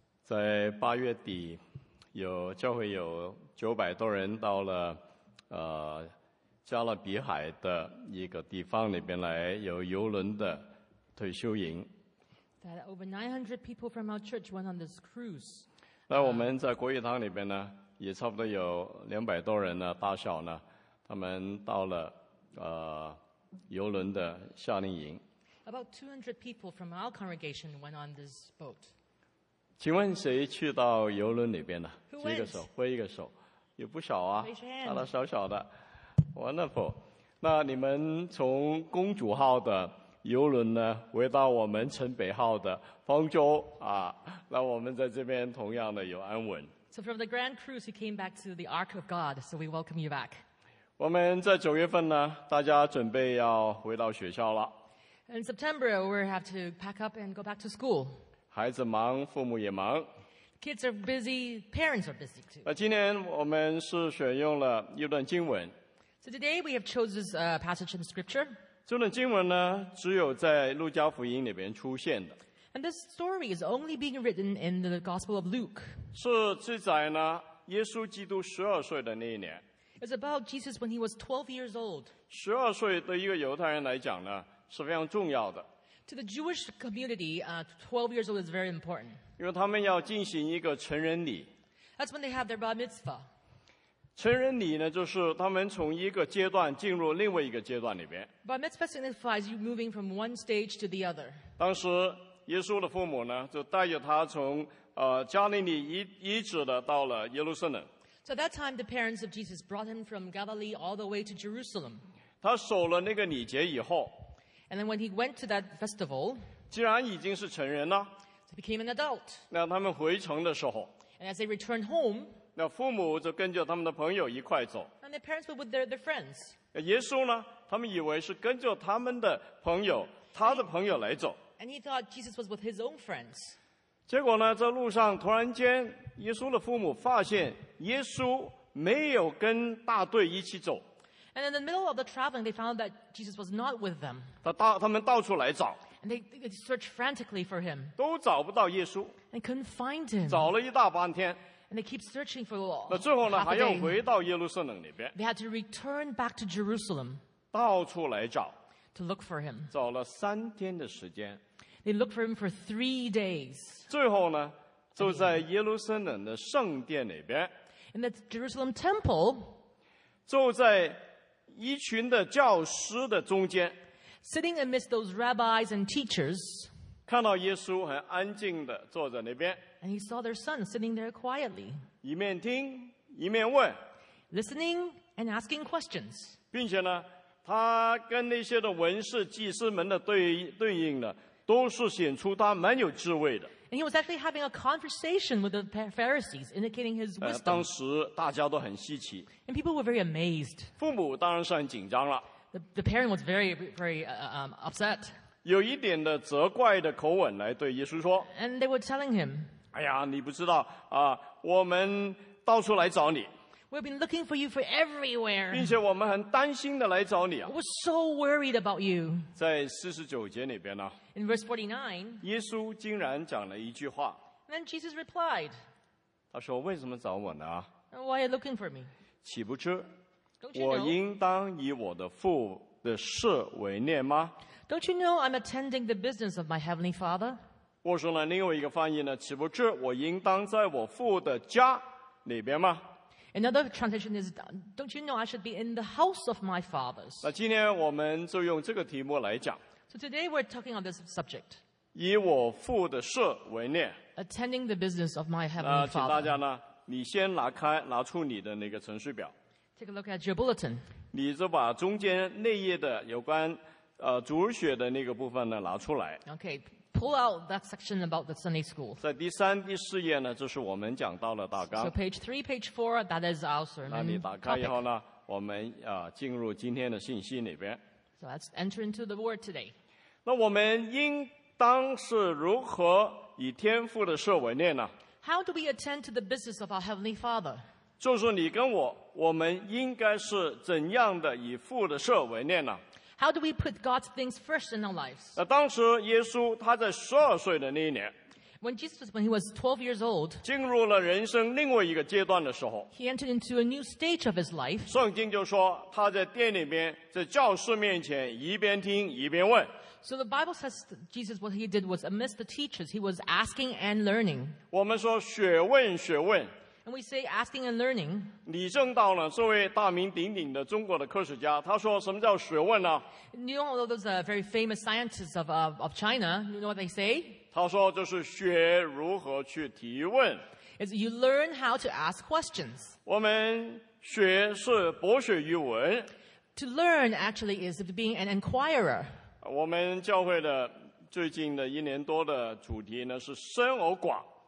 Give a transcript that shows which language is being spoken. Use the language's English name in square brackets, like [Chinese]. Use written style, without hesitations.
[Chinese] 在八月底，有教会有900多人到了加勒比海的一个地方里边来，有游轮的退休营。 [English] That over 900 people from our church went on this cruise. [Chinese] 那我们在国语堂里边呢，也差不多有200多人呢，大小呢，他们到了游轮的夏令营。 [English] About 200 people from our congregation went on this boat. [Chinese] 请问谁去到游轮里边呢？举个手，挥一个手，也不小啊，大大小小的。 [English] Wonderful. [Chinese] 那你们从公主号的游轮呢，回到我们城北号的方舟啊，那我们在这边同样的有安稳。 [English] So from the Grand Cruise, you came back to the Ark of God. So we welcome you back. [Chinese] 我们在九月份呢，大家准备要回到学校了。 [English] In September, we have to pack up and go back to school. [Chinese] 孩子忙，父母也忙。 [English] Kids are busy, parents are busy too. [Chinese] 那今天我们是选用了一段经文。 [English] So today we have chosen a passage in scripture. [Chinese] 这段经文呢，只有在路加福音里边出现的。 [English] And this story is only being written in the Gospel of Luke. [Chinese] 是记载呢，耶稣基督12岁的那一年。 [English] It's about Jesus when he was 12 years old. [Chinese] 12岁对一个犹太人来讲呢，是非常重要的。 [English] To the Jewish community, 12 years old is very important. [Chinese] 因为他们要进行一个成人礼。 [English] That's when they have their bar mitzvah. [Chinese] 成人礼呢，就是他们从一个阶段进入另外一个阶段里边。 [English] Bar mitzvah signifies you moving from one stage to the other. [Chinese] 当时耶稣的父母呢，就带着他从加利利一直的到了耶路撒冷。 [English] So at that time, the parents of Jesus brought him from Galilee all the way to Jerusalem. [Chinese] 他守了那个礼节以后。 [English] And then when he went to that festival, [Chinese] 既然已经是成人了, [English] he became an adult. [Chinese] 那他们回城的时候, [English] and as they returned home, [Chinese] 那父母就跟着他们的朋友一块走, [English] and their parents were with their friends. [Chinese] 耶稣呢, 他们以为是跟着他们的朋友, 他的朋友来走, [English] and he thought Jesus was with his own friends. [Chinese] 结果呢, 在路上突然间, 耶稣的父母发现耶稣没有跟大队一起走。 [English] And in the middle of the traveling, they found that Jesus was not with them. [Chinese] 他们到处来找。 [English] And they searched frantically for him. [Chinese] 都找不到耶稣。 [English] And couldn't find him. [Chinese] 找了一大半天。 [English] And they keep searching for all. [Chinese] 那最后呢，还要回到耶路撒冷里边。 [English] They had to return back to Jerusalem. [Chinese] 到处来找。 [English] To look for him. [Chinese] 找了三天的时间。 [English] They looked for him for 3 days. [Chinese] 最后呢，就在耶路撒冷的圣殿里边。 [English] In the Jerusalem temple. [Chinese] 就在一群的教师的中间 [English] ，sitting amidst those rabbis and teachers， [Chinese] 看到耶稣很安静的坐在那边 [English] ，and he saw their son sitting there quietly， [Chinese] 一面听一面问 [English] ，listening and asking questions， [Chinese] 并且呢，他跟那些的文士、祭司们的对应呢，都是显出他蛮有智慧的。 [English] And he was actually having a conversation with the Pharisees, indicating his wisdom. [Chinese] 当时大家都很稀奇。 [English] And people were very amazed. [Chinese] 父母当然是很紧张了。 [English] The parent was very, very upset. [Chinese] 有一点的责怪的口吻来对耶稣说。 [English] And they were telling him, [Chinese] 哎呀，你不知道啊，我们到处来找你。 [English] We've been looking for you for everywhere. [Chinese] 并且我们很担心的来找你啊。 [English] We're so worried about you. [Chinese] 在49节里边呢。 [English] In verse 49, [Chinese] 耶稣竟然讲了一句话。 [English] Then Jesus replied. [Chinese] 他说：“为什么找我呢？” [English] Why are you looking for me? [Chinese] 岂不知 [English] know, [Chinese] 我应当以我的父的事为念吗 [English] ？”Don't you know I'm attending the business of my heavenly Father? [Chinese] 我说了另外一个翻译呢，岂不知我应当在我父的家里边吗？ [English] Another translation is, don't you know I should be in the house of my father's? [Chinese] 那今天我们就用这个题目来讲。 [English] So today we're talking on this subject. [Chinese] 以我父的事为念。 [English] Attending the business of my heavenly father. [Chinese] 请大家呢，你先拿出你的那个程序表。 [English] Take a look at your bulletin. [Chinese] 你就把中间那页的有关主日学的那个部分呢拿出来。 [English] Okay, pull out that section about the Sunday school. [Chinese] 在第三、第四页呢，这是我们讲到的大纲。 [English] So page 3, page 4, that is our sermon topic. [Chinese] 那你打开以后呢，我们进入今天的信息里边。 [English] So let's enter into the word today. [Chinese] 那我们应当是如何以天父的事为念呢？ [English] How do we attend to the business of our Heavenly Father? [Chinese] 就是你跟我们应该是怎样的以父的事为念呢？ [English] How do we put God's things first in our lives? [Chinese] 当时耶稣他在十二岁的那一年 [English] When he was 12 years old, [Chinese] 进入了人生另外一个阶段的时候 [English] he entered into a new stage of his life. [Chinese] 圣经就说他在殿里面在教士面前一边听一边问。 [English] So the Bible says Jesus, what he did was amidst the teachers, he was asking and learning. [Chinese] 我们说学问学问。 [English] And we say asking and learning. [Chinese] 李政道呢，这位大名鼎鼎的中国的科学家，他说什么叫学问呢？ [English] You know those are very famous scientists of China, you know what they say? [Chinese] 他说就是学如何去提问。 [English] It's you learn how to ask questions. [Chinese] 我们学是博学于文。 [English] To learn actually is being an inquirer. [Chinese] 我们教会的最近的一年多的主题呢是深而广。